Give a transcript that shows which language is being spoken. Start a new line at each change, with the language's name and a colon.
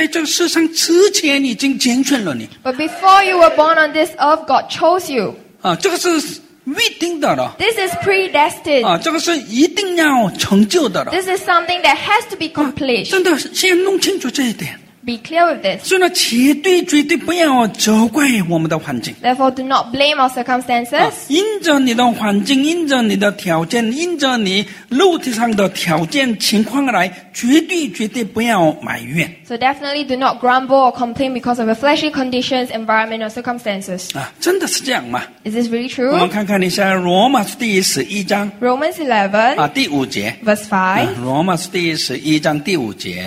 Chinese: 但是我们的上帝呢，诞生，你诞生在这世上之前已经拣选了你。
English: But before you were born on this earth, God chose you.
Chinese: 这个是。预定的了,
English: this is predestined.
Chinese: 这个是一定要成就的了,
English: this is something that has to be completed.
Chinese: 真的先弄清楚这一点。
English: Be clear with this.
Chinese: 所以呢，绝对绝对不要责怪我们的环境。
English: Therefore, do not blame our circumstances.
Chinese: 因着你的环境，因着你的条件，因着你肉体上的条件情况来，绝对绝对不要埋怨。
English: So definitely do not grumble or complain because of your fleshly conditions, environment, or circumstances.
Chinese: 真的是这样吗?
English: Is this really true?
Chinese: 我们看看一下罗马书第十一章。
English: Romans 11.
Chinese: 第五节。
English: Verse 5.
Chinese: 罗马书第十一章第五节。